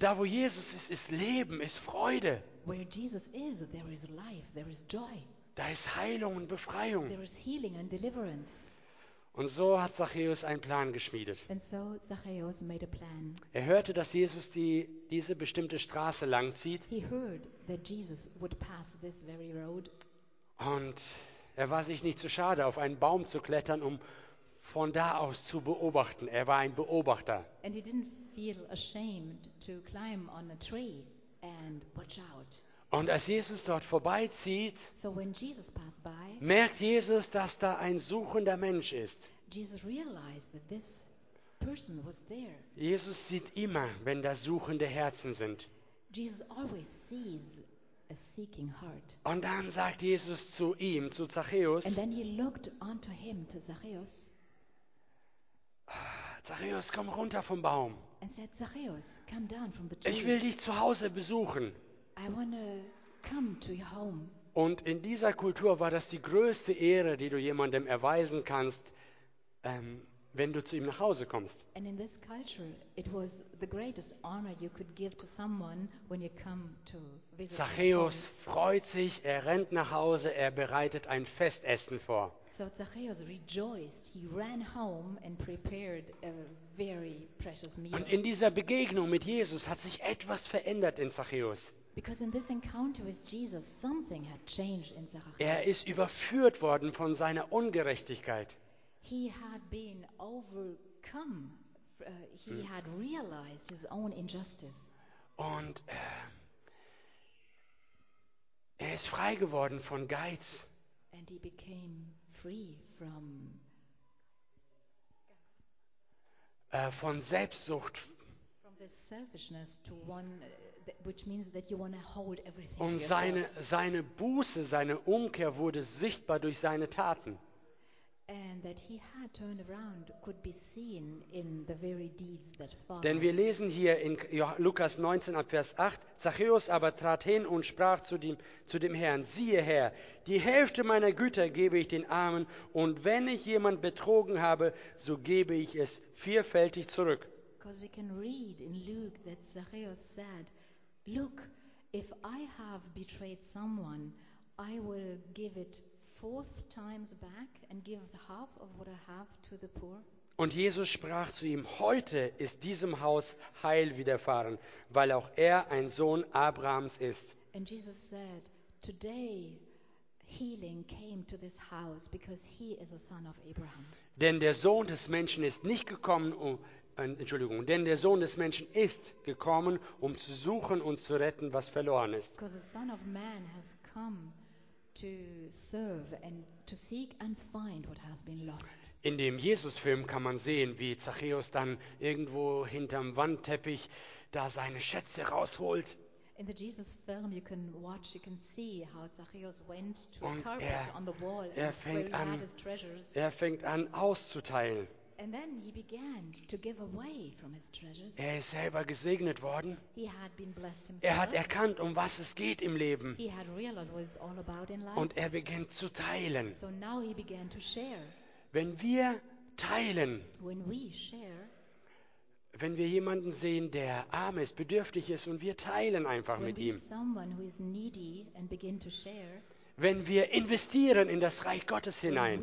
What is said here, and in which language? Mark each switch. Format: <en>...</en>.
<de>Da wo Jesus ist, ist Leben, ist Freude.</de> <en>Where Jesus is, there is life, there is joy.</en> <de>Da ist Heilung und Befreiung.</de> <en>There is healing and deliverance.</en> <de>Und so hat Zachäus einen Plan geschmiedet.</de> <en>And so Zachäus made a plan.</en> <de>Er hörte, dass Jesus diese bestimmte Straße langzieht.</de> <en>He heard that Jesus would pass this very road.</en> <de>Und er war sich nicht zu schade, auf einen Baum zu klettern, um von da aus zu beobachten. Er war ein Beobachter.</de> <en>And he didn't feel ashamed to climb on a tree and watch out.</en> <de>Und als Jesus dort vorbeizieht,</de> <en>so when Jesus passed by,</en> <de>merkt Jesus, dass da ein suchender Mensch ist.</de> <en>Jesus realized that this person was there.</en> <de>Jesus sieht immer, wenn da suchende Herzen sind.</de> <en>Jesus always sees a seeking heart.</en> <de>Und dann sagt Jesus zu ihm, zu Zachäus,</de> <en>and then he looked onto him, to Zachäus,</en> <de>Zachäus, komm runter vom Baum.</de> <en>And said, Zachäus, come down from the tree.</en> <de>Ich will dich zu Hause besuchen.</de> <en>I wanna come to your home.</en> <de>Und in dieser Kultur war das die größte Ehre, die du jemandem erweisen kannst, wenn du zu ihm nach Hause kommst.</de> <en>And in this culture, it was the greatest honor you could give to someone when you come to visit.</en> <de>Zachäus freut sich, er rennt nach Hause, er bereitet ein Festessen vor.</de> <en>So Zachäus rejoiced, he ran home and prepared a very precious meal.</en> <de>Und in dieser Begegnung mit Jesus hat sich etwas verändert in Zachäus.</de> <en>Because in this encounter with Jesus, something had changed in Zachäus.</en> <de>Er ist überführt worden von seiner Ungerechtigkeit.</de> <en>He had been overcome. He had realized his own injustice.</en> <de>Und er ist frei geworden von Geiz.</de> <en>And he became free from</en> <de>von Selbstsucht.</de> <en>From the selfishness to one, which means that you want to hold everything.</en> <de>Und seine Buße, seine Umkehr wurde sichtbar durch seine Taten.</de> <en>And that he had turned around could be seen in the very deeds that followed.</en> <de>Denn wir lesen hier in Lukas 19 ab Vers 8, Zachäus aber trat hin und sprach zu dem Herrn: Siehe Herr, die Hälfte meiner Güter gebe ich den Armen, und wenn ich jemand betrogen habe, so gebe ich es vielfältig zurück.</de> <en>Because we can read in Luke that Zachäus said, look, if I have betrayed someone, I will give it fourth times back and give the half of what I have to the poor.</en> <de>Und Jesus sprach zu ihm: Heute ist diesem Haus Heil widerfahren, weil auch er ein Sohn Abrahams ist.</de> <en>And Jesus said, today healing came to this house because he is a son of Abraham.</en> <de>Denn der Sohn des Menschen ist nicht gekommen, Entschuldigung, denn der Sohn des Menschen ist gekommen, um zu suchen und zu retten, was verloren ist.</de> <en>Because the Son of Man has come to serve and to seek and find what has been lost.</en> <de>In dem Jesus-Film kann man sehen, wie Zachäus dann irgendwo hinterm Wandteppich da seine Schätze rausholt.</de> <en>In the Jesus film you can watch, you can see how Zachäus went to a carpet on the wall and where he had his treasures.</en> <de>Er fängt an auszuteilen.</de> <en>And then he began to give away from his treasures.</en> <de>Er ist selber gesegnet worden.</de> <en>He had been blessed himself.</en> <de>Er hat erkannt, um was es geht im Leben.</de> <en>He had realized what it's all about in life.</en> <de>Und er beginnt zu teilen.</de> <en>So now he began to share.</en> <de>Wenn wir teilen,</de> <en>when we share,</en> <de>wenn wir jemanden sehen, der arm ist, bedürftig ist, und wir teilen einfach</de> <en>when</en> <de>mit ihm,</de> <en>someone who is needy and begin to share,</en> <de>wenn wir investieren in das Reich Gottes hinein,</de>